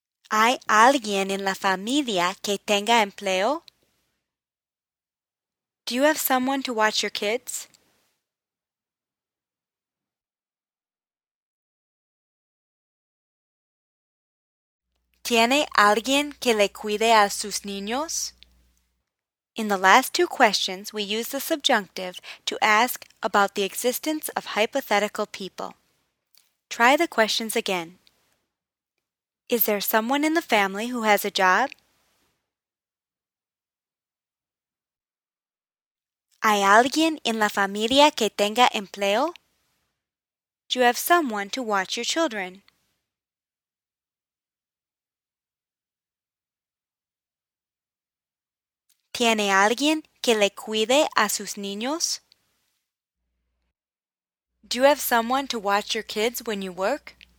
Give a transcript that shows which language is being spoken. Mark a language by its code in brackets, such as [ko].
[es] ¿Hay alguien en la familia que tenga empleo? [en] Do you have someone to watch your kids? [es] ¿Tiene alguien que le cuide a sus niños? [en] In the last two questions, we use the subjunctive to ask about the existence of hypothetical people. Try the questions again. Is there someone in the family who has a job? [es] ¿Hay alguien en la familia que tenga empleo? [en] Do you have someone to watch your children? [es] ¿Tiene alguien que le cuide a sus niños? [en] Do you have someone to watch your kids when you work?